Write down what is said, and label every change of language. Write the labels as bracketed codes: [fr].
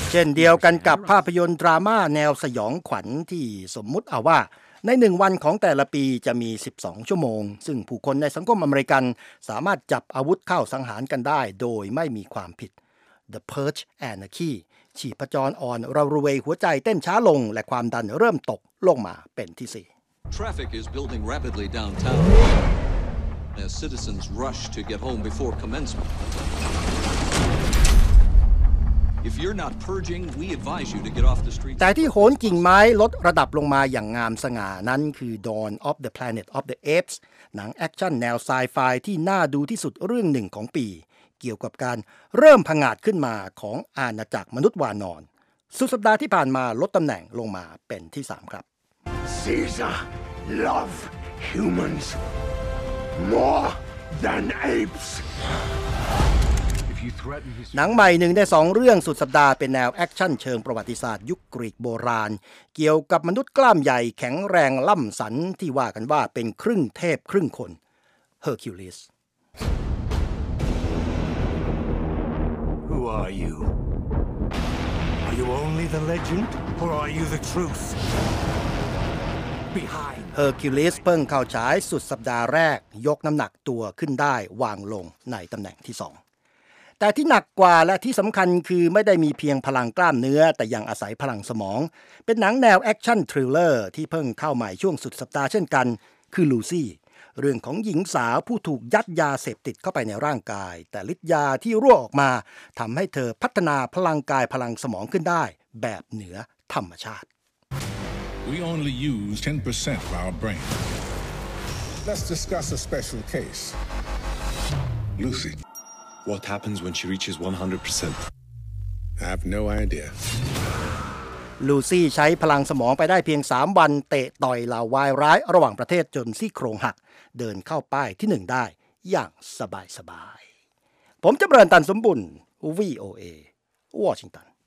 [th] เช่นเดียวกันกับภาพยนตร์ดราม่าแนวสยองขวัญที่สมมุติเอาว่าใน1วันของแต่ละปีจะมี12ชั่วโมงซึ่งผู้คนในสังคมอเมริกันสามารถจับอาวุธเข้าสังหารกันได้โดยไม่มีความผิด The Purge Anarchy ชีพจรอ่อนระรวยหัวใจเต้นช้าลงและความดันเริ่มตกลงมาเป็นที่4 [en] Traffic is building rapidly downtownAs citizens rush to get home before commencement. If you're not purging, we advise you to get off the street. [th] แต่ที่โหนกิ่งไม้ลดระดับลงมาอย่างงามสง่านั้นคือ Dawn of the Planet of the Apes หนังแอคชั่นแนวไซไฟที่น่าดูที่สุดเรื่องหนึ่งของปีเกี่ยวกับการเริ่มผงาดขึ้นมาของอาณาจักรมนุษย์วานรสุดสัปดาห์ที่ผ่านมาลดตำแหน่งลงมาเป็นที่3ครับ [en] Caesar love humansMore than apes. [th] หนังใหม่หนึ่งใน2เรื่องสุดสัปดาห์เป็นแนวแอคชั่นเชิงประวัติศาสตร์ยุคกรีกโบราณเกี่ยวกับมนุษย์กล้ามใหญ่แข็งแรงล่ำสันที่ว่ากันว่าเป็นครึ่งเทพครึ่งคน Hercules [en] Who are you? Are you only the legend or are you the truth? [th] Hercules เพิ่งเข้าฉายสุดสัปดาห์แรกยกน้ำหนักตัวขึ้นได้วางลงในตำแหน่งที่2แต่ที่หนักกว่าและที่สำคัญคือไม่ได้มีเพียงพลังกล้ามเนื้อแต่ยังอาศัยพลังสมองเป็นหนังแนวแอคชั่นทริลเลอร์ที่เพิ่งเข้าใหม่ช่วงสุดสัปดาห์เช่นกันคือลูซี่ เรื่องของหญิงสาวผู้ถูกยัดยาเสพติดเข้าไปในร่างกายแต่ฤทธิ์ยาที่รั่วออกมาทำให้เธอพัฒนาพลังกายพลังสมองขึ้นได้แบบเหนือธรรมชาติ [en] We only use 10% of our brain. Let's discuss a special case. Lucy, what happens when she reaches 100%? I have no idea. [th] Lucy ใช้พลังสมองไปได้เพียง3วันเตะต่อยเหล่าวายร้ายระหว่างประเทศจนซี่โครงหักเดินเข้าป้ายที่1ได้อย่างสบายสบายผมจำเริญตันสมบุญ VOA Washington